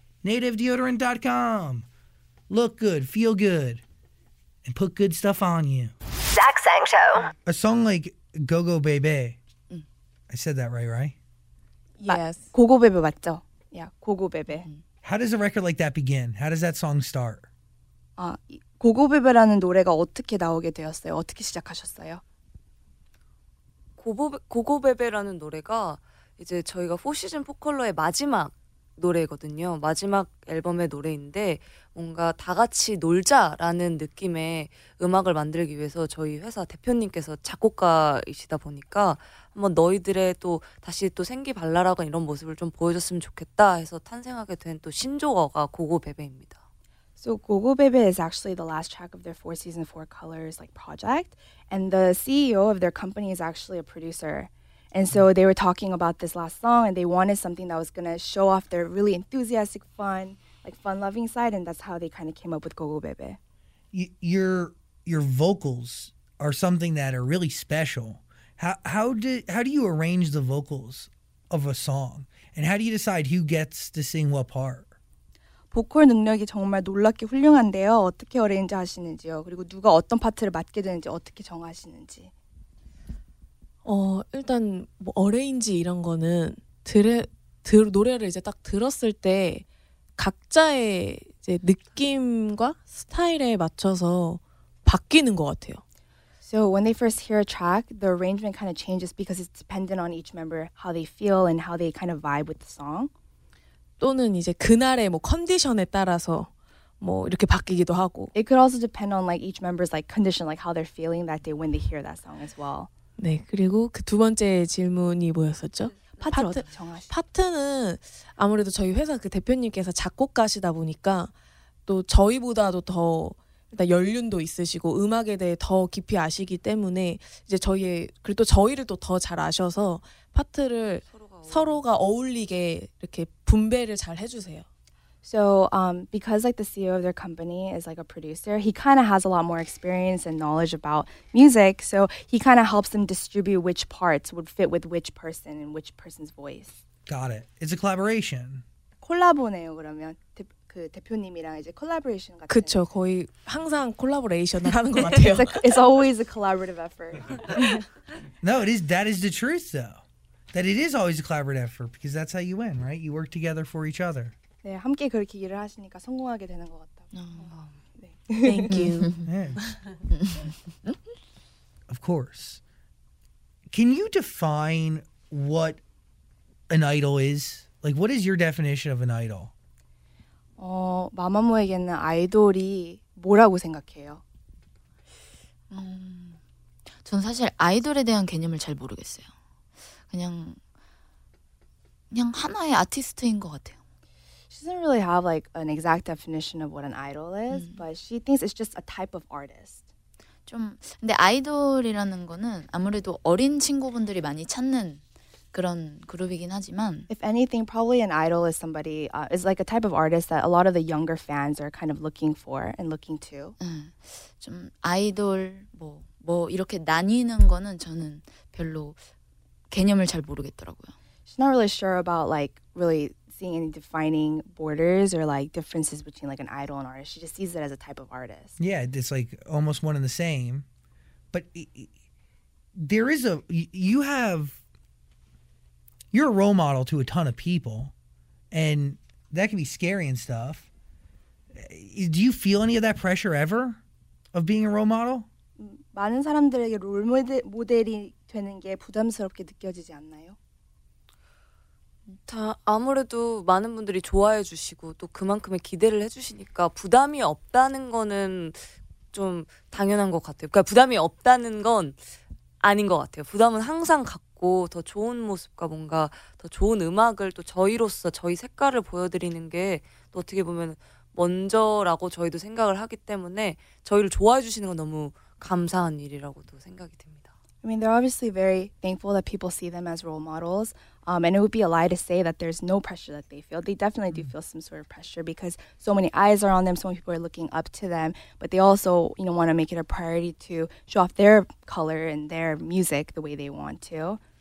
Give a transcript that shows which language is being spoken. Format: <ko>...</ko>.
<en>nativedeodorant.com. Look good, feel good, and put good stuff on you. Zach Sang Show. A song like Go Go Baby. I said that right, right? Yes.</en> <ko>Go Go Baby, 맞죠?</ko> <en>Yeah, Go Go Baby. How does a record like that begin? How does that song start?</en> <ko>고고베베라는 노래가 어떻게 나오게 되었어요? 어떻게 시작하셨어요? 고고베베라는 노래가 이제 저희가 4시즌 4컬러의 마지막 노래거든요. 마지막 앨범의 노래인데 뭔가 다 같이 놀자라는 느낌의 음악을 만들기 위해서 저희 회사 대표님께서 작곡가이시다 보니까 한번 너희들의 또 다시 또 생기 발랄하고 이런 모습을 좀 보여줬으면 좋겠다 해서 탄생하게 된 또 신조어가 고고베베입니다.</ko> <en>So Go Go Baby is actually the last track of their 4 Seasons, 4 Colors like project. And the CEO of their company is actually a producer. And so they were talking about this last song and they wanted something that was going to show off their really enthusiastic, fun, like fun-loving side. And that's how they kind of came up with Go Go Baby. Your vocals are something that are really special. How do you arrange the vocals of a song? And how do you decide who gets to sing what part?</en> <ko>보컬 능력이 정말 놀랍게 훌륭한데요. 어떻게 어레인지 하시는지요? 그리고 누가 어떤 파트를 맡게 되는지 어떻게 정하시는지? 일단 뭐 어레인지 이런 거는 노래를 이제 딱 들었을 때 각자의 이제 느낌과 스타일에 맞춰서 바뀌는 것 같아요.</ko> <en>So when they first hear a track, the arrangement kind of changes because it's dependent on each member how they feel and how they kind of vibe with the song.</en> <ko>또는 이제 그날의 뭐 컨디션에 따라서 뭐 이렇게 바뀌기도 하고.</ko> <en>It could also depend on like each member's like condition, like how they're feeling that day when they hear that song as well.</en> <ko>네, 그리고 그 두 번째 질문이 뭐였었죠? 파트 정하시죠? 파트는 아무래도 저희 회사 그 대표님께서 작곡가시다 보니까 또 저희보다도 더 일단 연륜도 있으시고 음악에 대해 더 깊이 아시기 때문에 이제 저희의 그리고 또 저희를 또 더 잘 아셔서 파트를 서로가 어울리게 이렇게 분배를 잘 해주세요.</ko> <en>So because like the CEO of their company is like a producer, he kind of has a lot more experience and knowledge about music. So he kind of helps them distribute which parts would fit with which person and which person's voice. Got it. It's a collaboration.</en> <ko>콜라보네요 그러면 그 대표님이랑 이제 콜라보레이션 같은. 그렇죠. 거의 항상 콜라보레이션을 하는 것 같아요.</ko> <en>It's always a collaborative effort. No, it is. That is the truth, though. That it is always a collaborative effort because that's how you win, right? You work together for each other.</en> <ko>네, 함께 그렇게 일을 하시니까 성공하게 되는 것 같다. 네.</ko> <en>Thank you. Of course. Can you define what an idol is? Like, what is your definition of an idol?</en> <ko>마마무에게는 아이돌이 뭐라고 생각해요? 전 사실 아이돌에 대한 개념을 잘 모르겠어요. 그냥 하나의 아티스트인 것 같아요.</ko> <en>She doesn't really have like an exact definition of what an idol is, but she thinks it's just a type of artist.</en> <ko>좀 근데 아이돌이라는 거는 아무래도 어린 친구분들이 많이 찾는 그런 그룹이긴 하지만.</ko> <en>If anything, probably an idol is somebody is like a type of artist that a lot of the younger fans are kind of looking for and looking to.</en> <ko>좀 아이돌 뭐 이렇게 나뉘는 거는 저는 별로. 개념을 잘 모르겠더라고요.</ko> <en>She's not really sure about like really seeing any defining borders or like differences between like an idol and artist. She just sees it as a type of artist. Yeah, it's like almost one and the same. But there is a, you have, you're a role model to a ton of people, and that can be scary and stuff. Do you feel any of that pressure ever of being a role model?</en> <ko>많은 사람들에게 롤 모델이 되는 게 부담스럽게 느껴지지 않나요? 다 아무래도 많은 분들이 좋아해 주시고 또 그만큼의 기대를 해 주시니까 부담이 없다는 거는 좀 당연한 것 같아요. 그러니까 부담이 없다는 건 아닌 것 같아요. 부담은 항상 갖고 더 좋은 모습과 뭔가 더 좋은 음악을 또 저희로서 저희 색깔을 보여드리는 게 또 어떻게 보면 먼저라고 저희도 생각을 하기 때문에 저희를 좋아해 주시는 건 너무 감사한 일이라고도 생각이 됩니다.</ko> <en>I mean, they're obviously very thankful that people see them as role models. And it would be a lie to say that there's no pressure that they feel. They definitely do feel some sort of pressure because so many eyes are on them, so many people are looking up to them. But they also, you know, want to make it a priority to show off their color and their music the way they want to.</en>